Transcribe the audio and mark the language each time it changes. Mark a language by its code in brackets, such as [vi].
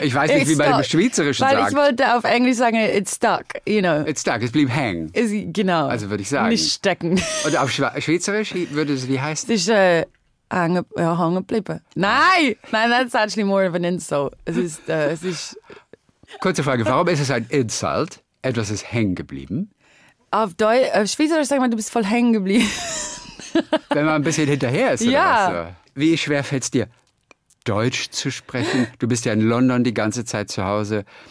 [de] Ich weiß nicht, wie man im Schweizerischen sagt. Weil ich wollte auf Englisch sagen, [en] it's stuck, you know. It's stuck, [de] es blieb hängen. Genau. Also würde ich sagen. Nicht stecken. Und auf Schweizerisch würde es, wie heißt es? Hängen geblieben. Nein, [en] that's actually more of an insult. [de] Es ist. Kurze Frage, warum ist es ein Insult? Etwas ist hängen geblieben? Auf Schweizerisch sagt man, du bist voll hängen geblieben. Wenn man ein bisschen hinterher ist, oder ja. Was? Wie schwer fällt es dir, Deutsch zu sprechen? Du bist ja in London die ganze Zeit zu Hause.